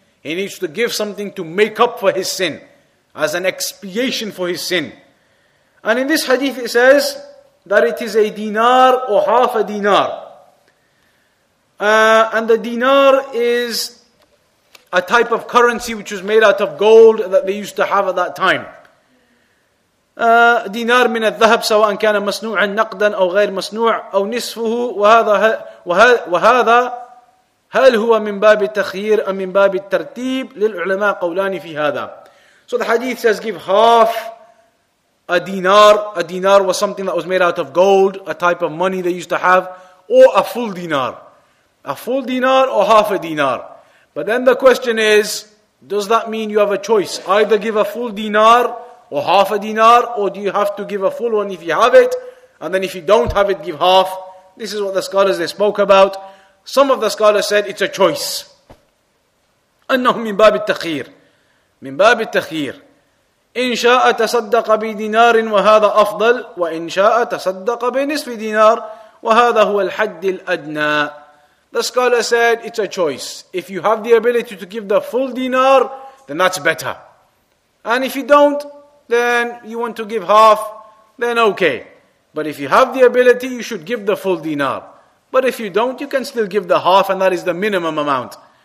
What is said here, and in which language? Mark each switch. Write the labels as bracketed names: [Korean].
[English] He needs to give something to make up for his sin, as an expiation for his sin. And in this hadith it says that it is a dinar or half a dinar. And the dinar is a type of currency which was made out of gold that they used to have at that time. [Arabic] دينار من الذهب سواء كان مصنوعا نقدا أو غير مصنوع أو نصفه وهذا هل هو من باب التخيير أم من باب الترتيب للعلماء قولان في هذا. [English] So the hadith says give half a dinar was something that was made out of gold, a type of money they used to have, or a full dinar or half a dinar. But then the question is, does that mean you have a choice? Either give a full dinar or half a dinar, or do you have to give a full one if you have it, and then if you don't have it, give half? This is what the scholars, they spoke about. Some of the scholars said it's a choice. [Arabic] أنه من باب التخير. من باب التخير. إن شاء تصدق بدينار وهذا أفضل وإن شاء تصدق بنصف دينار وهذا هو الحد الأدنى. [English] The scholar said it's a choice. If you have the ability to give the full dinar, then that's better. And if you don't, then you want to give half, then okay. But if you have the ability, you should give the full dinar. But if you don't, you can still give the half, and that is the minimum amount.